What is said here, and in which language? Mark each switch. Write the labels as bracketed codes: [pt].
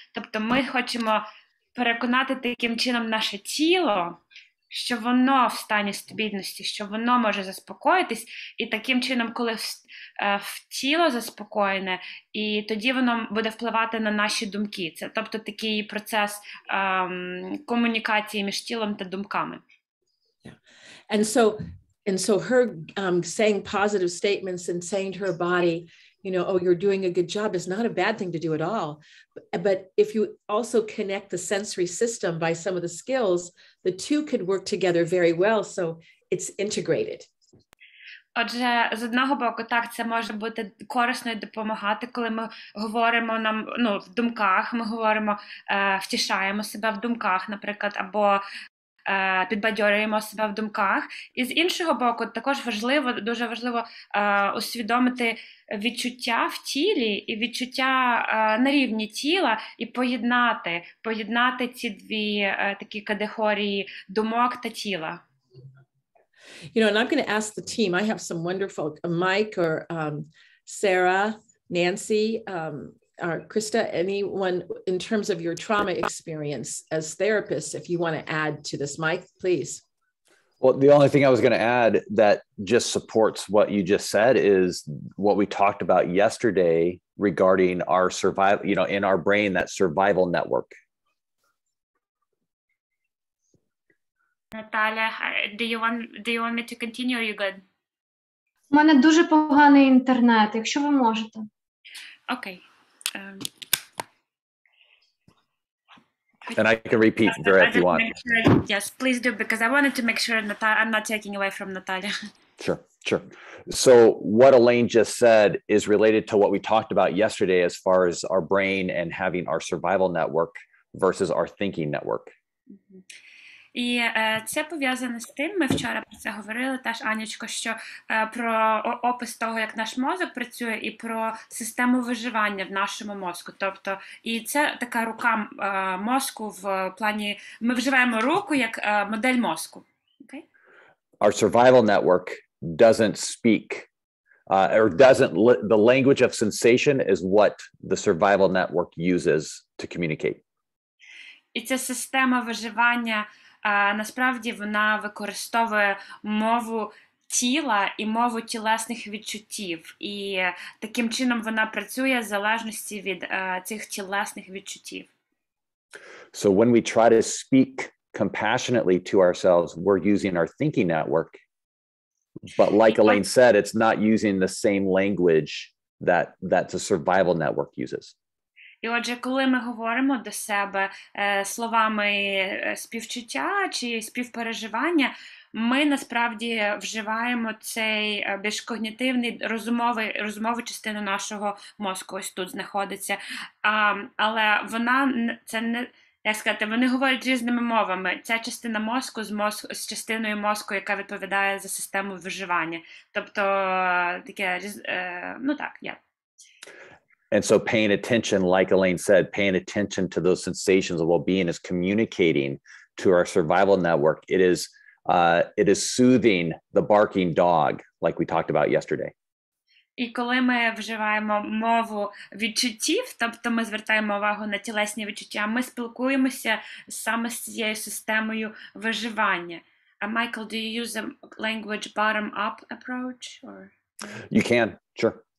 [uk] Тобто ми хочемо переконати таким чином наше тіло, що воно в стані стабільності, що воно може заспокоїтись, і таким чином, коли в тіло заспокоєне, і тоді воно буде впливати на наші думки. Це, тобто, такий процес комунікації між тілом та думками. [en] Yeah. And so her saying positive statements and saying to her body, you know, oh, you're doing a good job is not a bad thing to do at all. But if you also connect the sensory system by some of the skills, the two could work together very well. So it's integrated. [uk] Отже, з одного боку, так, це може бути корисно і допомагати, коли ми говоримо нам, ну, в думках, ми говоримо, втішаємо себе в думках, наприклад, або підбадьорюємо себе в думках. І з іншого боку, також важливо, дуже важливо усвідомити відчуття в тілі і відчуття на рівні тіла і поєднати ці дві такі категорії думок та тіла. [en] You know, and I'm going to ask the team. I have some wonderful Mike or Sarah, Nancy, or Krista, anyone in terms of your trauma experience as therapists, if you want to add to this, Mike, please. Well, the only thing I was going to add that just supports what you just said is what we talked about yesterday regarding our survival, you know, in our brain, that survival network. Наталя, do you want me to continue, or you good? [uk] У мене дуже поганий інтернет, якщо ви можете. Окей. [en] And I can repeat there if you want. Yes, please do, because I wanted to make sure I'm not taking away from Natalia. Sure. So what Elaine just said is related to what we talked about yesterday as far as our brain and having our survival network versus our thinking network. [uk] І це пов'язане з тим, ми вчора про це говорили теж, Анечко, що про опис того, як наш мозок працює, і про систему виживання в нашому мозку. Тобто, і це така рука мозку в плані, ми вживаємо руку як модель мозку. Okay? [en] Our survival network doesn't speak, or doesn't, the language of sensation is what the survival network uses to communicate. [uk] І це система виживання, насправді вона використовує мову тіла і мову тілесних відчуттів. І таким чином вона працює в залежності від цих тілесних відчуттів. [en] So when we try to speak compassionately to ourselves, we're using our thinking network. But like Elaine said, it's not using the same language that the survival network uses. [uk] І отже, коли ми говоримо до себе словами співчуття чи співпереживання, ми насправді вживаємо цей більш когнітивний, розумову частину нашого мозку, ось тут знаходиться. Але вона, це не, як сказати, вони говорять різними мовами. Ця частина мозку з частиною мозку, яка відповідає за систему виживання. Тобто, таке, ну так, я [en] And so paying attention, like Elaine said, paying attention to those sensations of well-being is communicating to our survival network. It is soothing the barking dog, like we talked about yesterday. [uk] І коли ми вживаємо мову відчуттів, тобто ми звертаємо увагу на тілесні відчуття, ми спілкуємося саме з цією системою виживання. [en] Michael, do you use a language bottom-up approach? Or? You can, sure.